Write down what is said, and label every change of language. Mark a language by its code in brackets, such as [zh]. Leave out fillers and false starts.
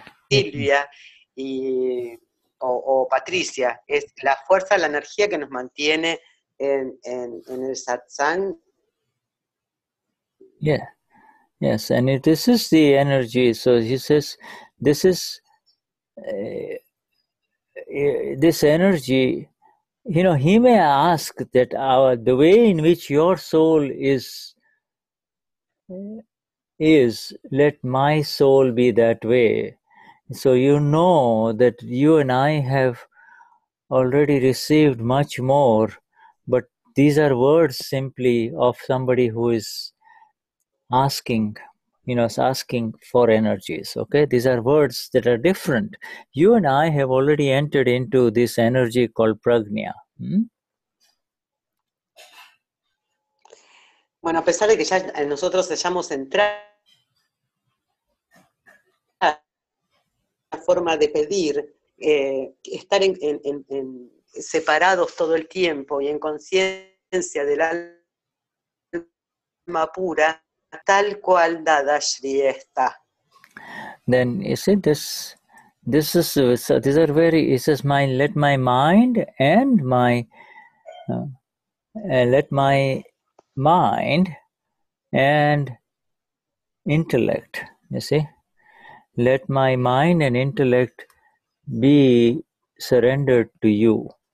[es] Silvia o Patricia, es la fuerza, la energía que nos mantiene en el satsang. [en] Yeah, yes, and this is the energy. So he says, this energy, you know, he may ask that the way in which your soul is, let my soul be that way. So you know that you and I have already received much more, but these are words simply of somebody who is asking for energies, okay? These are words that are different. You and I have already entered into this energy called prajna. [es] Bueno, a pesar de que ya nosotros hayamos entrado en la forma de pedir, estar en separados todo el tiempo y en conciencia del alma pura, tal cual dada Shri está. [en] Then you see these are very, he says, let my mind and intellect, you see, let my mind and intellect be surrendered to you.